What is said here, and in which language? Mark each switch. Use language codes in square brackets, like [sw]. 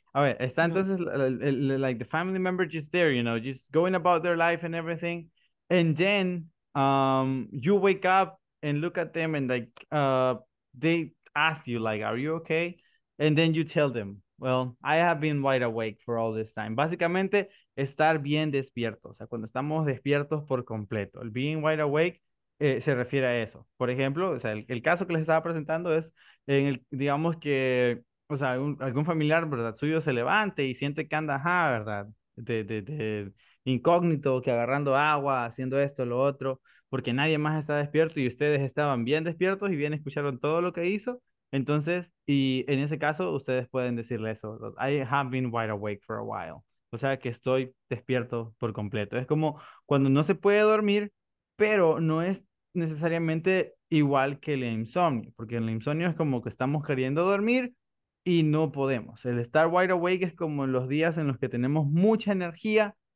[es] A ver, está entonces [en] like the family member just there, you know, just going about their life and everything. And then you wake up and look at them and like they ask you like, are you okay? And then you tell them, well, I have been wide awake for all this time. [es] Básicamente, estar bien despierto. O sea, cuando estamos despiertos por completo. El [en] being wide awake [es] se refiere a eso. Por ejemplo, o sea, el caso que les estaba presentando es, en el, digamos que, o sea, algún familiar, ¿verdad?, suyo se levante y siente que anda, ajá, ¿verdad?, de incógnito, que agarrando agua, haciendo esto, lo otro, porque nadie más está despierto y ustedes estaban bien despiertos y bien escucharon todo lo que hizo. Entonces, y en ese caso, ustedes pueden decirle eso. [en] I have been wide awake for a while. [es] O sea, que estoy despierto por completo. Es como cuando no se puede dormir, pero no es necesariamente igual que el insomnio. Porque el insomnio es como que estamos queriendo dormir y no podemos. El estar [en] wide awake [es] es como los días en los que tenemos mucha energía,